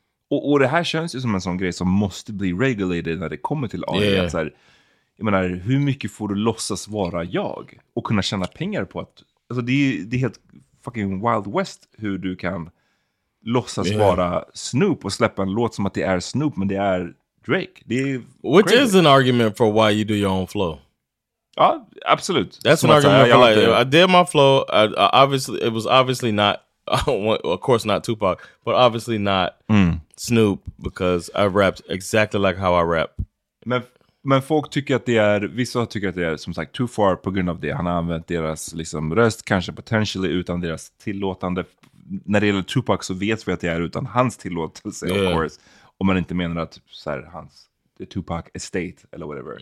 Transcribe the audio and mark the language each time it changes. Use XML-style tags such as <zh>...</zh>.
<sv>Och det här känns ju som en sån grej som måste bli regulated när det kommer till AI. Yeah. Så här, jag menar, hur mycket får du låtsas vara jag och kunna tjäna pengar på att, alltså det är helt fucking Wild West hur du kan låtsas vara Snoop och släppa en låt som att det är Snoop, men det är Drake. Det är</sv> <en>Which crazy. Is an argument for why you do your own flow.</en> <sv>Ja, absolut.</sv> <en>That's an argument for like, I did my flow. It was obviously not, of course not Tupac, but obviously not Snoop, because I rapped exactly like how I rap.</en> <sv>Men folk tycker att det är, vissa tycker att det är som sagt</sv> <en>too far</en> <sv>på grund av det. Han har använt deras liksom röst, kanske potentially utan deras tillåtande. När det gäller Tupac så vet vi att det är utan hans tillåtelse,</sv> <en>of course.</en> <sv>Om man inte menar att så här, hans Tupac estate eller whatever.</sv>